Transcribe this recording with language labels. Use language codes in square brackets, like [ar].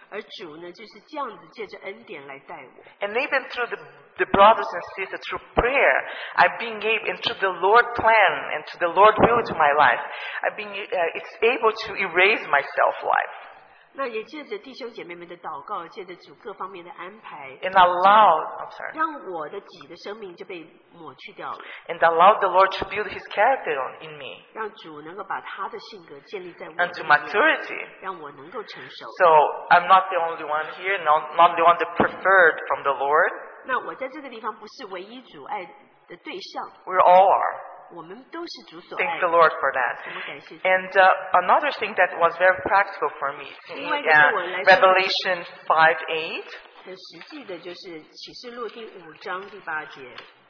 [zh] 不知道为什么，当我在回头看的时候，我就发现这就是在我生命中所发生的。而主呢，就是这样子借着恩典来带我。 [en] And even through the brothers and sisters, through prayer, I've been able, and through the Lord's plan, and through the Lord's will to my life, I've been it's able to erase my self-life. [zh] 那也借着弟兄姐妹们的祷告，借着主各方面的安排， [en] and allowed, I'm sorry, [zh] 让我的己的生命就被抹去掉了， [en] and allowed the Lord to build His character in me, [zh] 让主能够把他的性格建立在我里面， [en] and to maturity, [zh] 让我能够成熟。 [en] So I'm not the only one here, not the one that preferred from the Lord. [zh] 那我在这个地方不是唯一主爱的对象。 [en] We all are. [zh] 我们都是主所爱的, [en] thank the Lord for that. And another thing that was very practical for me, Revelation 5:8.